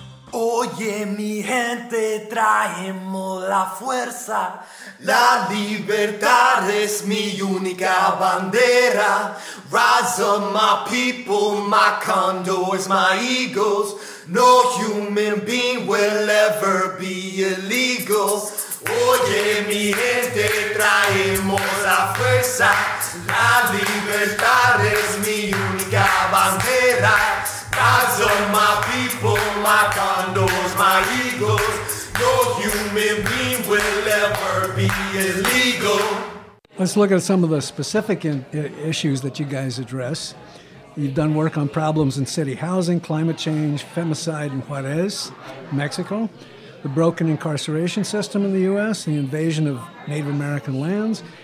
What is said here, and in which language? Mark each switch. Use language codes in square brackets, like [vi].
[es] Oye, mi gente, traemos la fuerza. La libertad es mi única bandera. [en] Rise up, my people, my condors, my eagles. No human being will ever be illegal. [es] Oye, mi gente, traemos la fuerza. La libertad es mi única bandera. [en] Rise up, my people, my condors, my eagles. No human being will ever be illegal. Let's look at some of the specific issues that you guys address. You've done work on problems in city housing, climate change, femicide in Juarez, Mexico, the broken incarceration system in the U.S., the invasion of Native American lands.